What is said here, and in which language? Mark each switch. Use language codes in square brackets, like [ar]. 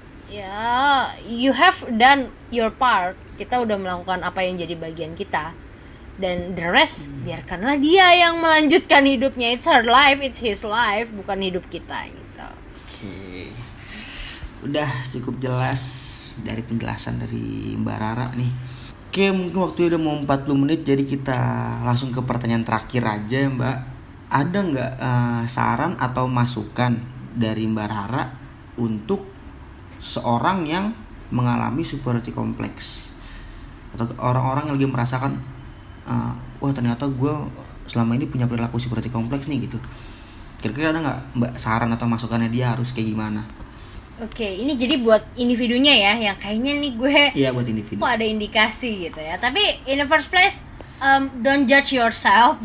[en] Ya, you have done your part. [id] Kita udah melakukan apa yang jadi bagian kita. Dan [en] the rest, [id] biarkanlah dia yang melanjutkan hidupnya. [en] It's her life, it's his life, [id] bukan hidup kita gitu. Oke. Udah cukup jelas dari penjelasan dari Mbak Rara nih. Oke, mungkin waktunya udah mau 40 menit, jadi kita langsung ke pertanyaan terakhir aja, Mbak. Ada enggak saran atau masukan dari Mbak Rara untuk seorang yang mengalami superiority complex atau orang-orang yang lagi merasakan wah ternyata gue selama ini punya perilaku superiority complex nih gitu, kira-kira ada nggak Mbak saran atau masukannya dia harus kayak gimana? Oke, ini jadi buat individunya ya, yang kayaknya nih gue iya buat individu kok ada indikasi gitu ya. [en] Tapi in the first place, don't judge yourself.